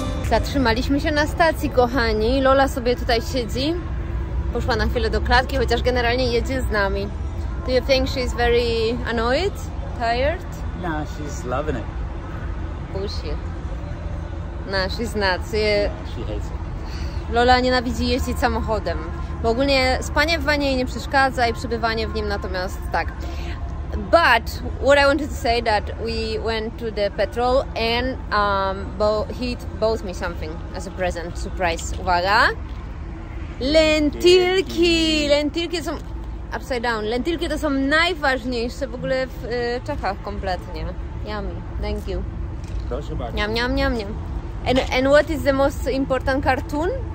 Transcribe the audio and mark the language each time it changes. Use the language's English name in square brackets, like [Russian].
[Polish] Zatrzymaliśmy się na stacji, kochani. Lola sobie tutaj siedzi. Poszła na chwilę do klatki, chociaż generalnie jedzie z nami. [English] Do you think she's very annoyed? Tired? No, she's loving it. Bullshit. No, she's nuts. Yeah, she hates it. [Polish] Lola nienawidzi jeździć samochodem. Bo ogólnie spanie w wanie jej nie przeszkadza i przebywanie w nim natomiast tak. [English] But what I wanted to say that we went to the petrol and he bought me something as a present. Surprise. [Polish] Uwaga. Lentilki. Lentilki są... [English] Upside down. [Polish] Lentilki to są najważniejsze w ogóle w Czechach kompletnie. [English] Yummy. Thank you. [Polish] Proszę bardzo. Niam, niam, niam, niam. [English] And what is the most important cartoon?